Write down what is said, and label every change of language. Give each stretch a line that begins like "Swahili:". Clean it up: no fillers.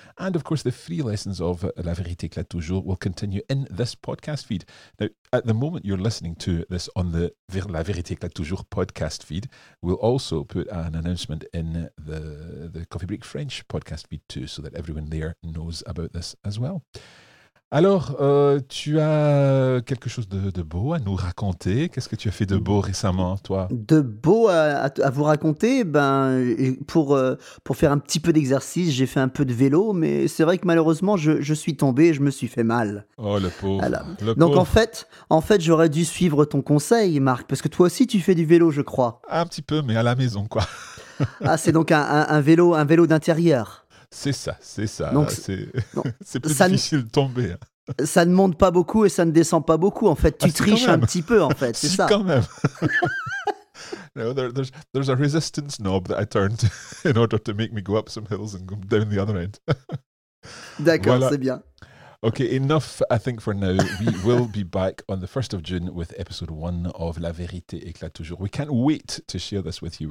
English: And of course, the free lessons of La Vérité Éclate Toujours will continue in this podcast feed. Now, at the moment you're listening to this on the La Vérité Éclate Toujours podcast feed, we'll also put an announcement in the Coffee Break French podcast feed too, so that everyone there knows about this as well.
French: Alors, tu as quelque chose de beau à nous raconter ? Qu'est-ce que tu as fait de beau récemment, toi ? De beau à vous raconter ? Ben, pour faire un petit peu d'exercice, j'ai fait un peu de vélo, mais c'est vrai que malheureusement, je suis tombé et je me suis fait mal. Oh, le pauvre. Alors, le donc, pauvre. En fait, j'aurais dû suivre ton conseil, Marc, parce que toi aussi, tu fais du vélo, je crois. Un petit peu, mais à la maison, quoi. Ah, c'est donc un vélo d'intérieur. C'est ça, c'est ça. Donc, c'est plus difficile de tomber. Ça ne monte pas beaucoup et ça ne descend pas beaucoup. En fait, tu triches un petit peu, en fait, c'est ça. Quand même.
English: No, there's a resistance knob that I turned in order to make me go up some hills and go down the other end.
French: D'accord, voilà. C'est bien.
English: Okay, enough, I think, for now. We will be back on the 1st of June with episode 1 of La Vérité Éclate Toujours. We can't wait to share this with you.